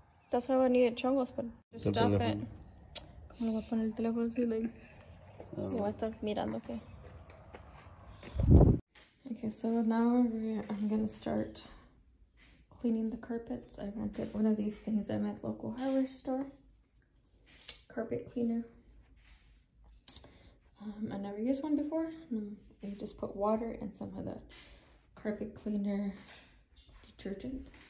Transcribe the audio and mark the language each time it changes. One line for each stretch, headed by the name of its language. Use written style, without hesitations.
English: That's why we need chongos, but stop it.
Spanish: No voy a poner el teléfono así, like. Me voy a estar mirando, ¿qué?
English: Okay, so now I'm gonna start cleaning the carpets. I rented one of these things at my local hardware store. Carpet cleaner. I never used one before. You just put water and some of the carpet cleaner detergent.